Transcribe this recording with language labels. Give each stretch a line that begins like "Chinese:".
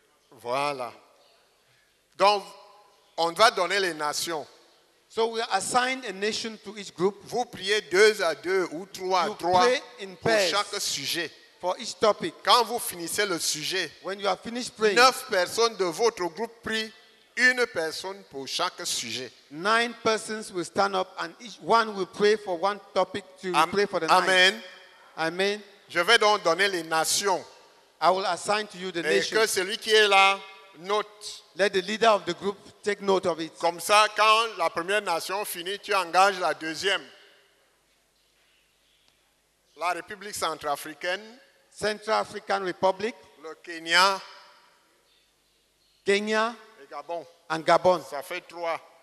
French: Voilà. Donc, on va donner les nations.
English: So we assign a nation to each group.
French: Vous priez deux à deux ou trois à trois pour chaque sujet.
English: For each topic.
French: Quand vous finissez le sujet,
English: when you have finished praying,
French: 9 personnes de votre groupe prient une personne pour chaque sujet.
English: 9 persons will stand up and each one will pray for one topic to pray for the nine. Amen. Amen.
French: Je vais donc donner les nations.
English: I will assign to you the nations.
French: Et que celui qui est là note.
English: Let the leader of the group take note of it.
French: Comme ça, quand la première nation finit, tu engages la deuxième. La République centrafricaine.
English: Central African Republic.
French: Le Kenya.
English: Kenya.
French: Et Gabon.
English: And Gabon.
French: Ça fait trois.